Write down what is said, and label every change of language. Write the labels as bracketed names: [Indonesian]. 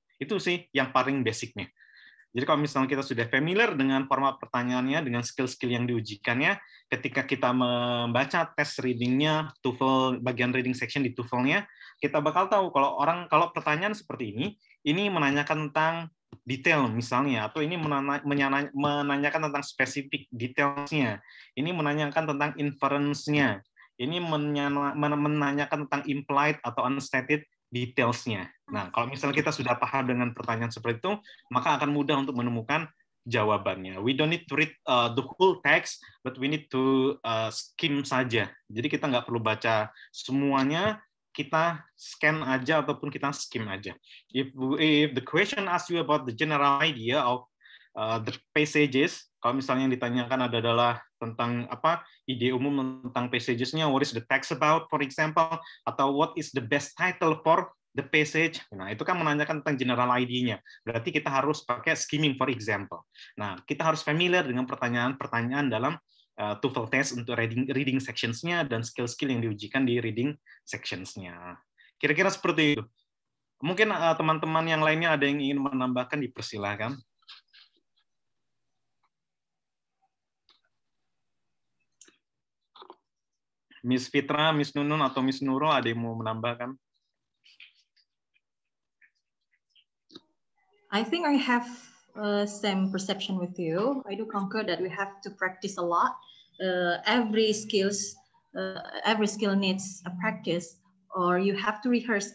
[Indonesian] Itu sih yang paling basic-nya. Jadi kalau misalnya kita sudah familiar dengan format pertanyaannya, dengan skill-skill yang diujikannya, ketika kita membaca tes readingnya, TOEFL bagian reading section di TOEFL-nya, kita bakal tahu kalau orang kalau pertanyaan seperti ini menanyakan tentang detail misalnya, atau ini menanyakan tentang spesifik detailnya, ini menanyakan tentang inference-nya, ini menanyakan tentang implied atau unstated detailsnya. Nah, kalau misalnya kita sudah paham dengan pertanyaan seperti itu, maka akan mudah untuk menemukan jawabannya. [English] We don't need to read the whole text, but we need to skim saja. [Indonesian] Jadi kita nggak perlu baca semuanya, kita scan aja ataupun kita skim aja. [English] If the question asks you about the general idea of the passages, [Indonesian] kalau misalnya yang ditanyakan adalah tentang apa ide umum tentang passages-nya, [English] what is the text about, for example, [Indonesian] atau [English] what is the best title for the passage. [Indonesian] Nah, itu kan menanyakan tentang general ID-nya. Berarti kita harus pakai skimming, [English] for example. [Indonesian] Nah, kita harus familiar dengan pertanyaan-pertanyaan dalam TOEFL test untuk reading sections-nya dan skill-skill yang diujikan di reading sections-nya. Kira-kira seperti itu. Mungkin teman-teman yang lainnya ada yang ingin menambahkan, dipersilakan. Miss Fitra, Miss Nunun, atau Miss Nurul, ada yang mau menambahkan? [English] I think I have same perception with you. I do concur that we have to practice a lot. Every skill needs a practice, or you have to rehearse.